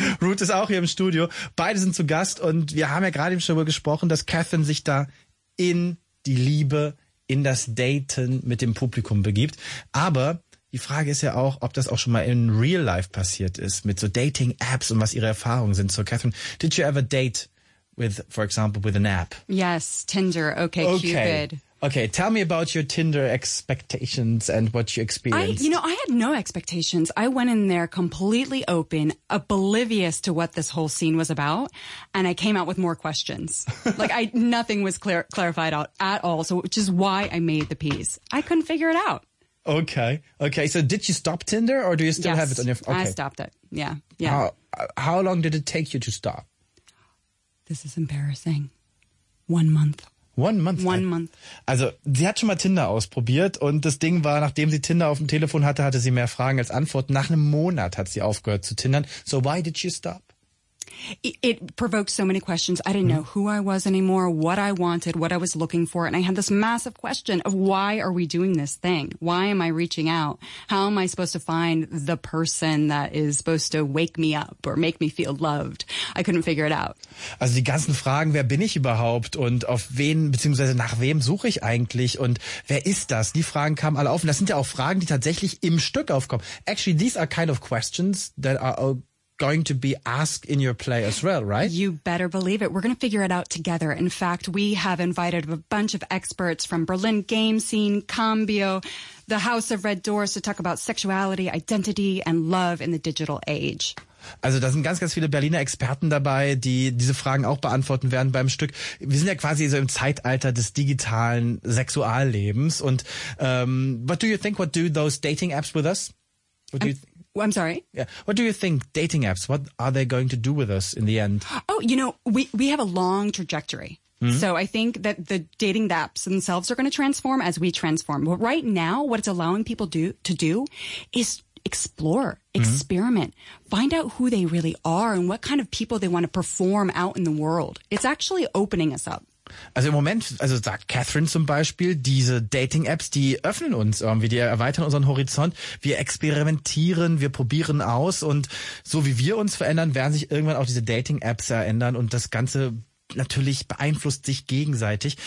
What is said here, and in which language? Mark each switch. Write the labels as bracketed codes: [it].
[de] Ruth ist auch hier im Studio. Beide sind zu Gast und wir haben ja gerade eben schon darüber gesprochen, dass Catherine sich da in die Liebe in das Daten mit dem Publikum begibt. Aber die Frage ist ja auch, ob das auch schon mal [en] in real life [de] passiert ist mit so Dating-Apps und was ihre Erfahrungen sind. [en] So Catherine, did you ever date with an app? Yes, Tinder, OkCupid. Okay, tell me about your Tinder expectations and what you experienced. I had no expectations. I went in there completely open, oblivious to what this whole scene was about, and I came out with more questions. Like, nothing was clarified out at all, so which is why I made the piece. I couldn't figure it out. Okay. Okay. So did you stop Tinder or do you still yes, have it on your phone? Okay. I stopped it. Yeah. Yeah. How long did it take you to stop? This is embarrassing. 1 month. 1 month? One month. [de] Also, sie hat schon mal Tinder ausprobiert und das Ding war, nachdem sie Tinder auf dem Telefon hatte, hatte sie mehr Fragen als Antworten. Nach einem Monat hat sie aufgehört zu tindern. [en] So why did you stop? It provoked so many questions. I didn't know who I was anymore, what I wanted, what I was looking for. And I had this massive question of why are we doing this thing? Why am I reaching out? How am I supposed to find the person that is supposed to wake me up or make me feel loved? I couldn't figure it out. [de] Also die ganzen Fragen, wer bin ich überhaupt und auf wen bzw. nach wem suche ich eigentlich und wer ist das? Die Fragen kamen alle auf und das sind ja auch Fragen, die tatsächlich im Stück aufkommen. [en] Actually, these are kind of questions that are going to be asked in your play as well, right? You better believe it. We're going to figure it out together. In fact, we have invited a bunch of experts from Berlin Game Scene, Cambio, the House of Red Doors to talk about sexuality, identity and love in the digital age. [de] Also da sind ganz, ganz viele Berliner Experten dabei, die diese Fragen auch beantworten werden beim Stück. Wir sind ja quasi so im Zeitalter des digitalen Sexuallebens. [en] Und what do you think, what do those dating apps with us? I'm sorry. Yeah. What do you think dating apps, what are they going to do with us in the end? Oh, you know, we have a long trajectory. Mm-hmm. So I think that the dating apps themselves are going to transform as we transform. But right now, what it's allowing people to do is explore, experiment, find out who they really are and what kind of people they want to perform out in the world. It's actually opening us up. [de] Also im Moment, also sagt Catherine zum Beispiel, diese Dating-Apps, die öffnen uns irgendwie, die erweitern unseren Horizont. Wir experimentieren, wir probieren aus und so wie wir uns verändern, werden sich irgendwann auch diese Dating-Apps ändern und das Ganze natürlich beeinflusst sich gegenseitig.